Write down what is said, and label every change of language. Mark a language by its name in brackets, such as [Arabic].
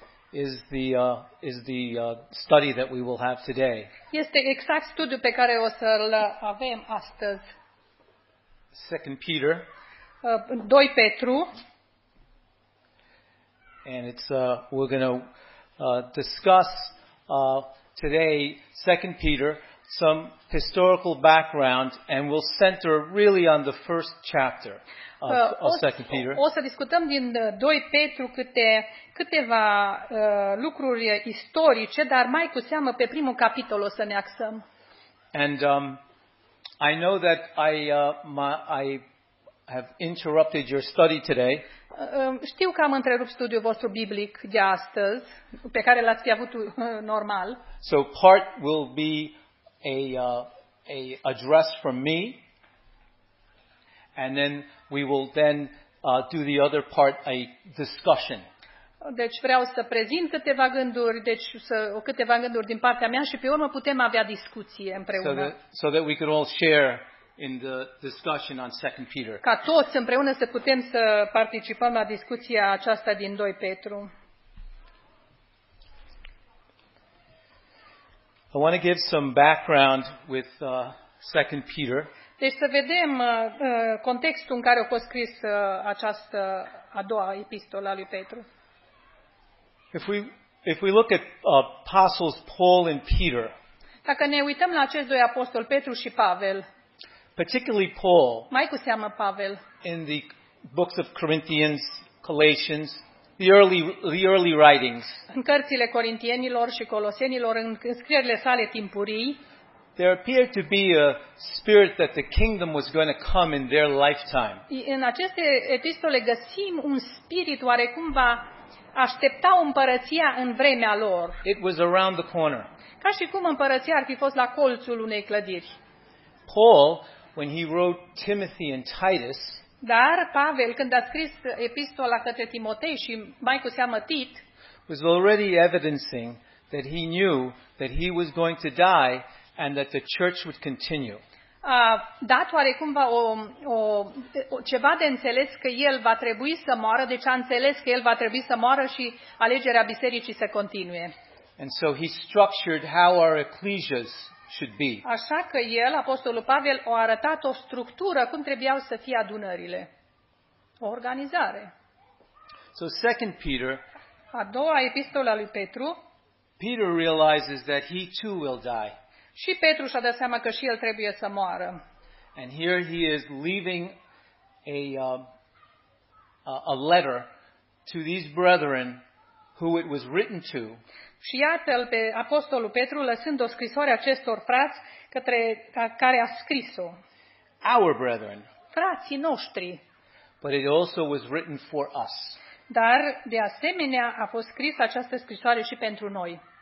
[English] Is the study that we will have today. [Romanian] Este exact studiul pe care o să-l avem astăzi. [English] 2 Peter. [Romanian] 2 Petru. [English] And it's we're going to discuss today 2 Peter, some historical background, and we'll center really on the first chapter of 2 Peter. [Romanian] O să discutăm din 2 Petru câteva lucruri istorice, dar mai cu seamă pe primul capitol o să ne axăm. [English] And I know that I have interrupted your study today. [Romanian] Știu că am întrerupt studiul vostru biblic de astăzi, pe care l-ați fi avut normal. [English] So part will be a address from me, and then we will then do the other part a discussion. [Romanian] Deci vreau să prezint câteva gânduri, câteva gânduri din partea mea și pe urmă putem avea discuție împreună. [English] So that we can all share in the discussion on 2 Peter. [Romanian] Ca toți împreună să putem să participăm la discuția aceasta din 2 Petru. [English] I want to give some background with 2 Peter. [Romanian] Deci să vedem contextul în care a fost scris această a doua epistolă a lui Petru. [English] If we look at apostles Paul and Peter. [Romanian] Dacă ne uităm la acești doi apostoli, Petru și Pavel. [English] Particularly Paul. [Romanian] Mai cu seamă Pavel. [English] In the books of Corinthians, Galatians, the early writings. [Romanian] În cărțile corintienilor și colosenilor, în scrierile sale timpurii. [English] There appeared to be a spirit that the kingdom was going to come in their lifetime. [Romanian] În aceste epistole găsim un spirit oarecum va aștepta împărăția în vremea lor. [English] It was around the corner. [Romanian] Ca și cum împărăția ar fi fost la colțul unei clădiri. [English] Paul, when he wrote Timothy and Titus, [Romanian] Dar Pavel, când a scris epistola către Timotei și mai cu seamă Tit, [English] was already evidencing that he knew that he was going to die and that the church would continue. [Romanian] A dat oarecumva o ceva de înțeles că el va trebui să moară, deci a înțeles că el va trebui să moară și alegerea bisericii să continue. [English] And so he structured how our ecclesias should be. [Romanian] Așa că el, apostolul Pavel, a arătat o structură cum trebuiau să fie adunările. O organizare. [English] So 2 Peter, [Romanian] a doua epistola lui Petru, [English] Peter realizes that he too will die. [Romanian] Și Petru și-a dat seama că și el trebuie să moară. [English] And here he is leaving a letter to these brethren who it was written to. [Romanian] Și iată-l pe apostolul Petru lăsând o scrisoare acestor frați către care a scris-o. [English] Our brethren. [Romanian] Frații noștri. [English] But it also was written for us. [Romanian] Dar de asemenea a fost scrisă această scrisoare și pentru noi.